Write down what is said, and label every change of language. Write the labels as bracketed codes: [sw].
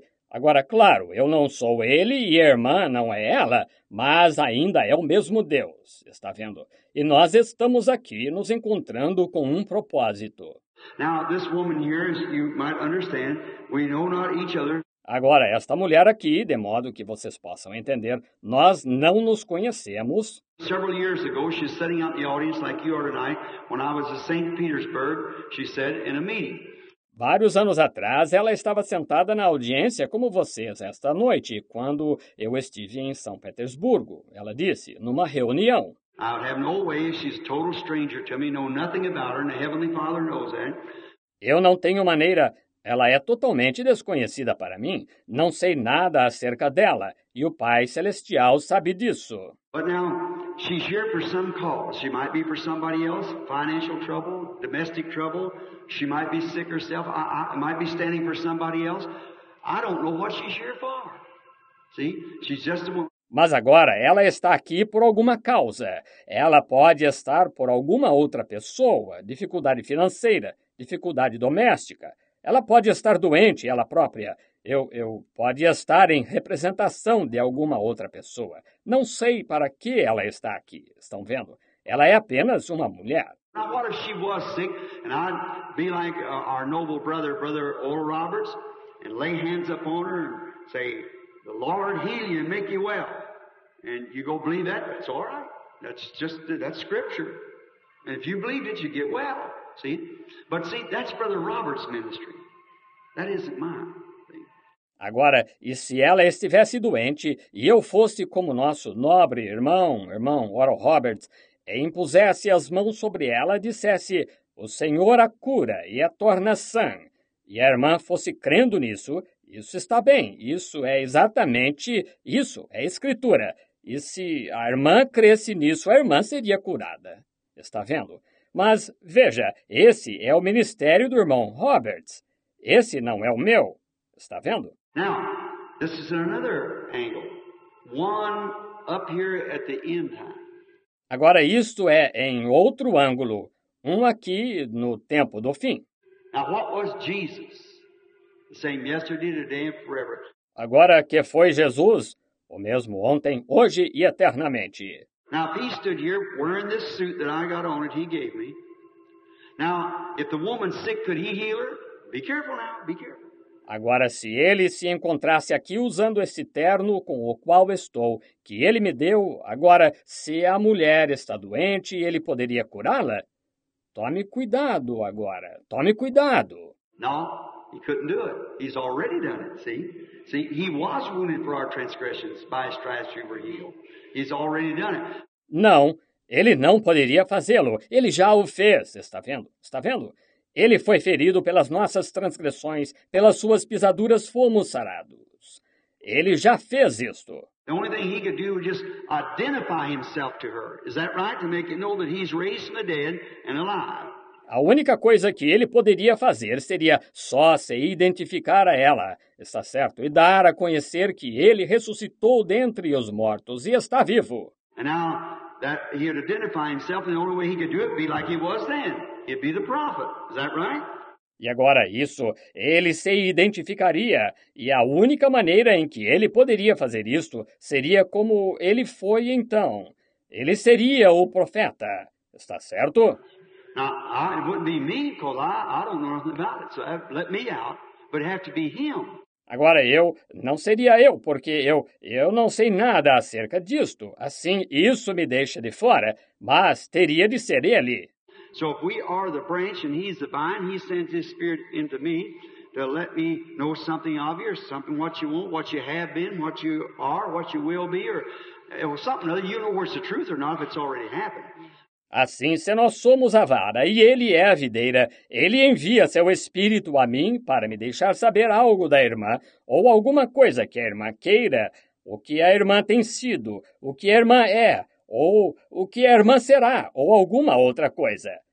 [pt] Agora, claro, eu não sou ele e a irmã não é ela, mas ainda é o mesmo Deus. Está vendo? E nós estamos aqui nos encontrando com um propósito. [en] Now, this woman here, as you might understand, we know not each other. [pt] Agora, esta mulher aqui, de modo que vocês possam entender, nós não nos conhecemos. [en] Several years ago, she's sitting out in the audience like you are tonight, when I was in St. Petersburg, she said, in a meeting. [pt] Vários anos atrás, ela estava sentada na audiência como vocês esta noite, quando eu estive em São Petersburgo. Ela disse, numa reunião. [en] I would have no way if she's a total stranger to me, know nothing about her, and the Heavenly Father knows that. [pt] Eu não tenho maneira. Ela é totalmente desconhecida para mim. Não sei nada acerca dela, e o Pai Celestial sabe disso. [en] But now, she's here for some cause. She might be for somebody else, financial trouble, domestic trouble. She might be sick herself. I might be standing for somebody else. I don't know what she's here for. See, she's just a woman. [pt] Mas agora ela está aqui por alguma causa. Ela pode estar por alguma outra pessoa, dificuldade financeira, dificuldade doméstica. Ela pode estar doente, ela própria. Eu pode estar em representação de alguma outra pessoa. Não sei para que ela está aqui. Estão vendo? Ela é apenas uma mulher. [en] Now, what if she was sick and I'd be like our noble brother, Brother Oral Roberts, and lay hands upon her and say, the Lord heal you and make you well. And you go believe that, that's all right. That's scripture. And if you believe it, you get well. See? But see, that's Brother Robert's ministry. That isn't mine. [pt] Agora, e se ela estivesse doente e eu fosse como nosso nobre irmão Oral Roberts, e impusesse as mãos sobre ela e dissesse, o Senhor a cura e a torna sã, e a irmã fosse crendo nisso, isso está bem, isso é exatamente isso, é escritura. E se a irmã cresce nisso, a irmã seria curada. Está vendo? Mas, veja, esse é o ministério do irmão Roberts. Esse não é o meu. Está vendo? [en] Now, this is another angle. One up here at the end time. [pt] Agora, isto é em outro ângulo, um aqui no tempo do fim. [en] Now, what was Jesus? The same yesterday, today, and forever. [pt] Agora, que foi Jesus? O mesmo ontem, hoje e eternamente. [en] Now, if he stood here wearing this suit that I got on it, he gave me. Now, if the woman's sick, could he heal her? Be careful now, be careful. [pt] Agora, se ele se encontrasse aqui usando esse terno com o qual estou, que ele me deu, agora, se a mulher está doente, ele poderia curá-la? Tome cuidado agora, tome cuidado. [en] No, he couldn't do it. He's already done it, see? See, he was wounded for our transgressions, by his stripes you were healed. He's already done it. [pt] Não, ele não poderia fazê-lo. Ele já o fez, está vendo? Está vendo? Ele foi ferido pelas nossas transgressões, pelas suas pisaduras fomos sarados. Ele já fez isto. [en] The only thing he could do was just identify himself to her. Is that right? To make it know that he's raised from the dead and alive. [pt] A única coisa que ele poderia fazer seria só se identificar a ela, está certo? E dar a conhecer que ele ressuscitou dentre os mortos e está vivo. [en] And now that he had identified himself, the only way he could do it would be like he was then. He'd be the prophet. Is that right? [pt] E agora isso, ele se identificaria, e a única maneira em que ele poderia fazer isto seria como ele foi então. Ele seria o profeta, está certo? [en] Now, it wouldn't be me, because I don't know nothing about it, so let me out, but it'd have to be him. [pt] Agora eu, não seria eu, porque eu não sei nada acerca disto, assim isso me deixa de fora, mas teria de ser ele. [en] So if we are the branch and he's the vine, he sends his spirit into me to let me know something of you, or something what you want, what you have been, what you are, what you will be, or something other. You know where it's the truth or not if it's already happened. [pt] Assim, se nós somos a vara e ele é a videira, ele envia seu espírito a mim para me deixar saber algo da irmã ou alguma coisa que a irmã queira, o que a irmã tem sido, o que a irmã é. Ou o que a irmã será, ou alguma outra coisa.